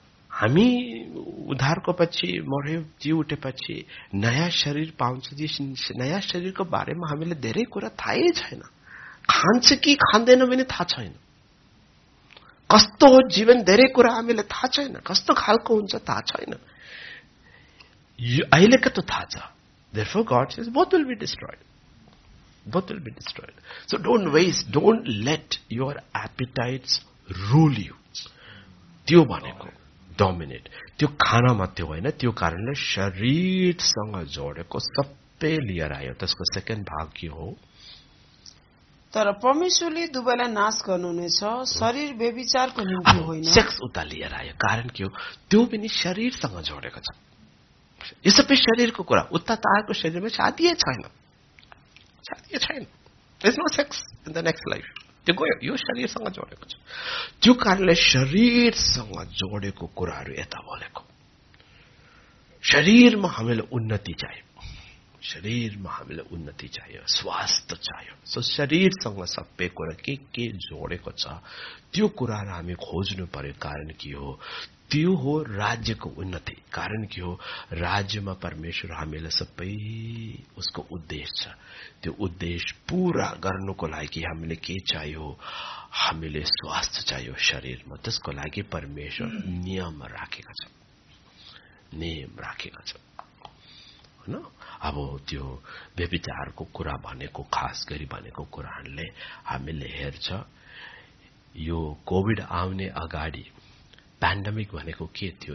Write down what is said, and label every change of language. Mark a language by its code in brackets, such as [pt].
[ne] हामी उद्धारको पछि मर्यो, जी उठेपछि नयाँ शरीर पाउँछ. नयाँ शरीरको बारेमा हामीले धेरै कुरा थाहै छैन. खान्छ कि खाँदैन पनि थाहा छैन. कस्तो हो जीवन, धेरै कुरा हामीलाई थाहा छैन. कस्तो खालको हुन्छ थाहा छैन. अहिलेको त थाहा छ. [en] Therefore, God says, both will be destroyed. Both will be destroyed. So don't waste, don't let your appetites rule you. [ne] त्यो भनेको dominate. त्यो खाना मात्रै होइन, त्यो कारणले शरीरसँग जोडेको सबै लिएर आयो. त्यसको सेकेन्ड भाग के हो? तर परमेश्वरले दुवैलाई नाश गर्नुहुनेछ, शरीर व्यभिचारको निम्ति होइन. सेक्स उता लिएर आयो, कारण के हो? त्यो पनि शरीरसँग जोडेको छ. यो सबै शरीरको कुरा. उता तपाईँको शरीरमा शादी छैन, शादी छैन, [en] There is no sex in the next life. [ne] त्यो गयो, यो शरीरसँग जोडेको छ. त्यो कारणले शरीरसँग जोडेको कुराहरू यता बोलेको. शरीरमा हामीले उन्नति चाहियो, शरीरमा हामीले उन्नति चाहियो, स्वास्थ्य चाहियो. सो शरीरसँग सबै कुरा के जोडेको छ त्यो कुराहरू हामी खोज्नु पर्यो. कारण के हो? त्यो हो राज्यको उन्नति. कारण के हो? राज्यमा परमेश्वर हामीलाई सबै उसको उद्देश्य छ. त्यो उद्देश्य पूरा गर्नुको लागि हामीले के चाहियो? हामीले स्वास्थ्य चाहियो शरीरमा. त्यसको लागि परमेश्वर नियम राखेको छ, नियम राखेको छ. अब त्यो व्यभिचारको कुरा भनेको, खास गरी भनेको कुराहरूले हामीले हेर्छ. यो कोविड आउने अगाडि पेन्डेमिक भनेको के थियो?